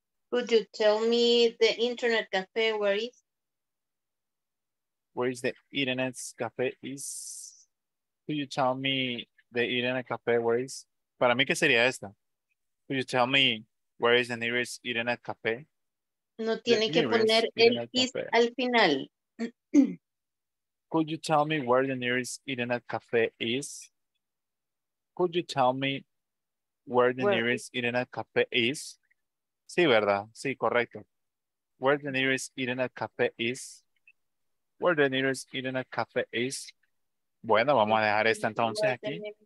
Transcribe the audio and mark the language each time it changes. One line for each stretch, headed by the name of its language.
English: Could you tell me the internet cafe where is? Where is the internet cafe is? Could you tell me the internet cafe where is?
Spanish: Para mí, ¿qué sería esta?
English: Could you tell me where is the nearest internet cafe?
Spanish: No tiene que poner el is al final.
English: Could you tell me where the nearest internet cafe is? Could you tell me where the nearest internet cafe is?
Spanish: Sí, ¿verdad? Sí, correcto.
English: Where the nearest internet cafe is? Where the nearest internet cafe is?
Spanish: Bueno, vamos a dejar esta entonces aquí.